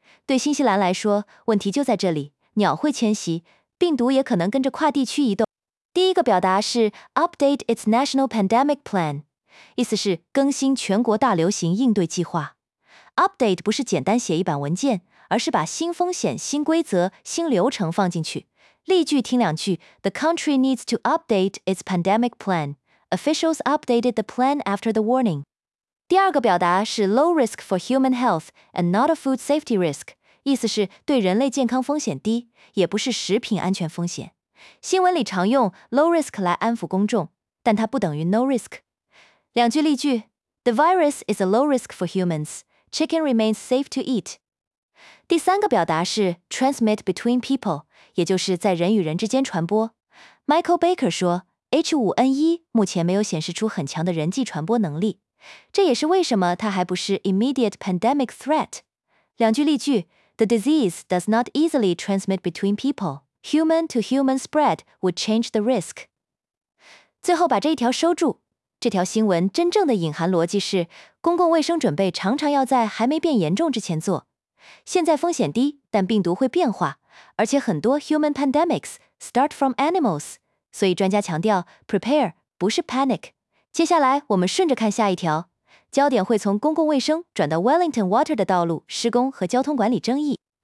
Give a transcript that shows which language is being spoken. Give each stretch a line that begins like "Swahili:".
Chinese: 对新西兰来说，问题就在这里，鸟会迁徙，病毒也可能跟着跨地区移动。第一个表达是
English: update its national pandemic plan,
Chinese: 意思是更新全国大流行应对计划。 update 不是简单写一版文件，而是把新风险、新规则、新流程放进去。例句听两句，
English: The country needs to update its pandemic plan. Officials updated the plan after the warning.
Chinese: 第二个表达是
English: low risk for human health and not a food safety risk,
Chinese: 意思是对人类健康风险低，也不是食品安全风险。新闻里常用 low risk 来安抚公众，但它不等于 no risk。两句例句，
English: The virus is a low risk for humans. Chicken remains safe to eat.
Chinese: 第三个表达是
English: transmit between people,
Chinese: 也就是在人与人之间传播。 Michael Baker 说， H5N1 目前没有显示出很强的人际传播能力。这也是为什么它还不是
English: immediate pandemic threat。
Chinese: 两句例句，
English: The disease does not easily transmit between people. Human-to-human spread would change the risk.
Chinese: 最后把这一条收住。这条新闻真正的隐含逻辑是，公共卫生准备常常要在还没变严重之前做。现在风险低，但病毒会变化，而且很多
English: human pandemics start from animals。
Chinese: 所以专家强调 prepare 不是 panic。接下来我们顺着看下一条，焦点会从公共卫生转到 Wellington Water 的道路施工和交通管理争议。